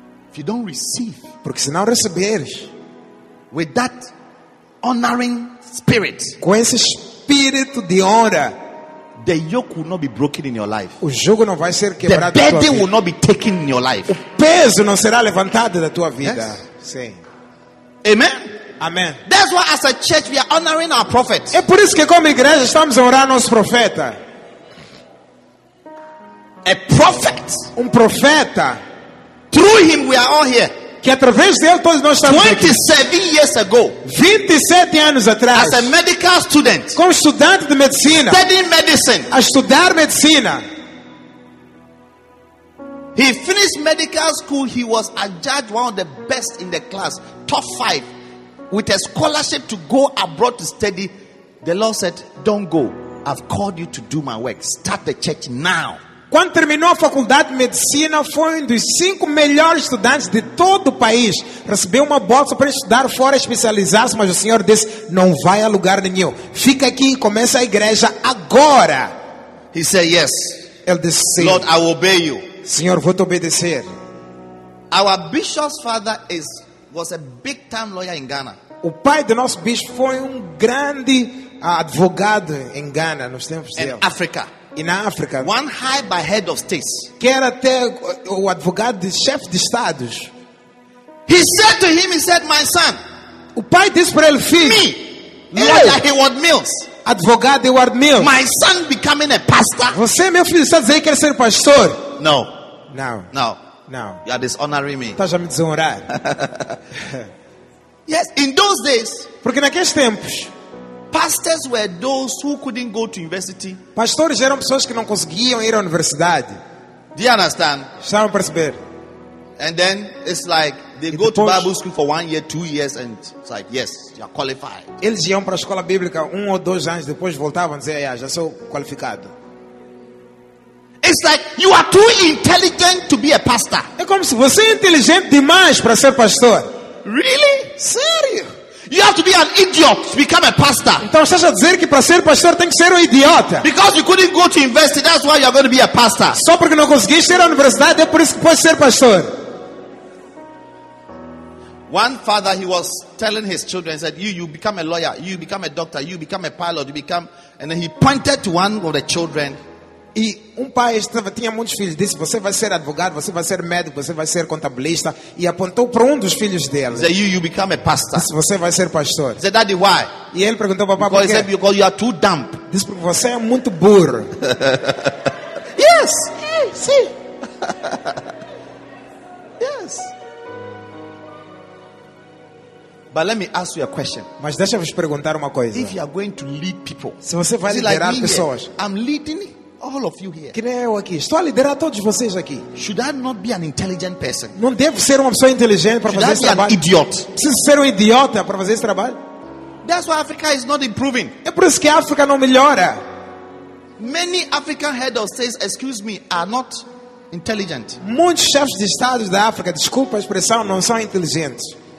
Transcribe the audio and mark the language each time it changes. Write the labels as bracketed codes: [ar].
[en] If you don't receive, [pt] porque se não receberes, [en] with that honoring spirit, [pt] com esse espírito de honra, [en] the yoke will not be broken in your life. [pt] O jugo não vai ser quebrado. [en] The burden will not be taken in your life. [pt] O peso não será levantado da tua vida. [en] Yes? [pt] Sim. [en] Amen. [pt] Amen. [en] That's why, as a church, we are honoring our prophet. [pt] É por isso que como igreja estamos a honrar nosso profeta. [en] A prophet. [pt] Profeta. [en] Through him, we are all here. [pt] Que através dele todos nós estamos 27 aqui. [en] Years ago, [pt] 27 anos atrás, [en] as a medical student, [pt] como estudante de medicina, [en] studying medicine, [pt] a estudar medicina, [en] he finished medical school. He was adjudged one of the best in the class, top 5, with a scholarship to go abroad to study. The Lord said, "Don't go. I've called you to do my work. Start the church now." [pt] Quando terminou a faculdade de medicina, foi um dos 5 melhores estudantes de todo o país. Recebeu uma bolsa para estudar fora, especializar-se, mas o Senhor disse, não vai a lugar nenhum. Fica aqui e começa a igreja agora. [en] He said, yes. [pt] Ele disse, sim. [en] Lord, I obey you. [pt] Senhor, vou te obedecer. [en] Our bishop's father was a big time lawyer in Ghana. [pt] O pai do nosso bispo foi um grande advogado em Ghana, nos tempos dele. [en] In Africa. In Africa, one high by head of state, [pt] que era até o advogado de chefe de estados. [en] He said to him, he said, my son, [pt] o pai disse para ele, filho, [en] me, lawyer Edward Mills, [pt] advogado Edward Mills, [en] my son becoming a pastor. [pt] Você, meu filho, está dizendo que quer ser pastor? [en] No, [pt] no, [en] no, [pt] no. [en] You are dishonoring me. [pt] Estás a me desonrar. [en] Yes, in those days, [pt] porque naqueles tempos. [en] Pastors were those who couldn't go to university. [pt] Pastores eram pessoas que não conseguiam ir à universidade. [en] Do you understand? [pt] Estão a perceber? [en] And then it's like they go to Bible school for 1 year, 2 years, and it's like, yes, you are qualified. [pt] Eles iam para a escola bíblica 1 ou 2 anos, depois voltavam a dizer, já sou qualificado. [en] It's like you are too intelligent to be a pastor. [pt] É como se você é inteligente demais para ser pastor. [en] Really? [pt] Sério? [en] You have to be an idiot to become a pastor. [pt] Então você está a dizer que para ser pastor tem que ser um idiota. [en] Because you couldn't go to university, that's why you're going to be a pastor. [pt] Só porque não conseguiste ir à universidade, é por isso que pode ser pastor. [en] One father, he was telling his children, he said, you become a lawyer, you become a doctor, you become a pilot, you become, and then he pointed to one of the children. [pt] E pai estava, tinha muitos filhos, disse, você vai ser advogado, você vai ser médico, você vai ser contabilista, e apontou para dos filhos dele. [en] Said, you become a pastor. [pt] Disse, você vai ser pastor. [en] Said, daddy, why? [pt] E ele perguntou, papá, por quê? [en] Because you are too dumb. [pt] Disse, porque você é muito burro. [en] Yes. [pt] Sim. [en] Yes. But let me ask you a question. [pt] Mas deixa-vos perguntar uma coisa. [en] If you are going to lead people, [pt] se você vai liderar pessoas, [en] here, I'm leading all of you here. [pt] Que eu aqui. Estou a liderar todos vocês aqui. [en] Should I not be an intelligent person? [pt] Não devo ser uma pessoa inteligente para [en] Should [pt] fazer [en] I [pt] esse trabalho? [en] An idiot? [pt] Preciso ser idiota para fazer esse trabalho? [en] That's why Africa is not improving. [pt] É por isso que a África não melhora. [en] Many African heads of states, excuse me, are not intelligent. [pt] Muitos chefes de estados da África, desculpa a expressão, não são inteligentes.